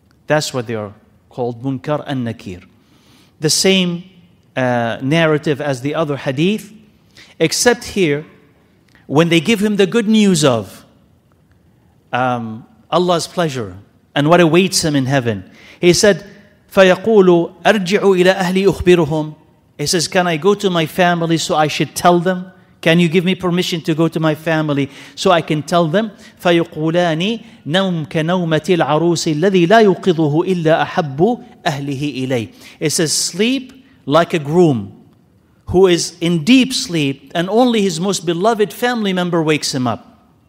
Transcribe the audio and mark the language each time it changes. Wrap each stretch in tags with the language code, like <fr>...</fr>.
<en>That's what they are called, Munkar An-Nakir. The same narrative as the other hadith, except here, when they give him the good news of Allah's pleasure and what awaits him in heaven.</en> <ar>He said, فَيَقُولُ أَرْجِعُ إِلَىٰ أَهْلِي أُخْبِرُهُمْ.</ar> <en>He says, can I go to my family so I should tell them? Can you give me permission to go to my family so I can tell them?</en> <ar>فَيُقُولَانِ نَوْمْ كَنَوْمَةِ الْعَرُوسِ الَّذِي لَا يُقِضُهُ إِلَّا أَحَبُّ أَهْلِهِ إِلَيْهِ.</ar> <en>It says, sleep like a groom who is in deep sleep and only his most beloved family member wakes him up.</en>